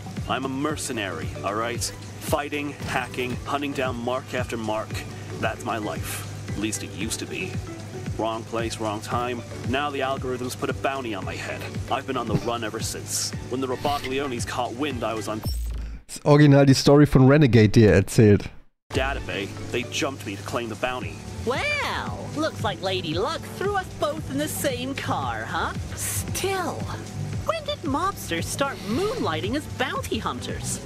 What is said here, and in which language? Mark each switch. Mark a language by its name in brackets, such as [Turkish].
[English] I'm a mercenary, all right? Fighting, hacking, hunting down mark after mark. That's my life. At least it used to be. Wrong place, wrong time. Now the algorithms put a bounty on my head. I've been on the run ever since. When the Robaglionis caught wind, I was on... [German] Das Original, die Story von Renegade, die erzählt. [English] Data Bay, they jumped me to claim the bounty. Well, looks like Lady Luck threw us both in the same car, huh? Still, when did mobsters start moonlighting as bounty hunters?